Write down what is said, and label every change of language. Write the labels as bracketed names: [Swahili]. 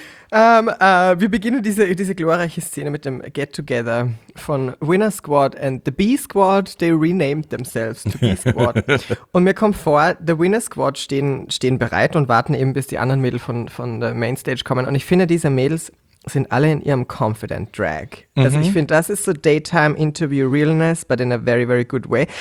[German] Wir beginnen diese glorreiche Szene mit dem Get-Together von Winner Squad and the B-Squad. [English] They renamed themselves to B-Squad. [German] Und mir kommt vor, the Winner Squad stehen bereit und warten eben, bis die anderen Mädels von der Mainstage kommen. Und ich finde, diese Mädels sind alle in ihrem Confident Drag. Mhm. Also ich finde, das ist so Daytime Interview Realness, [English] but in a very, very good way.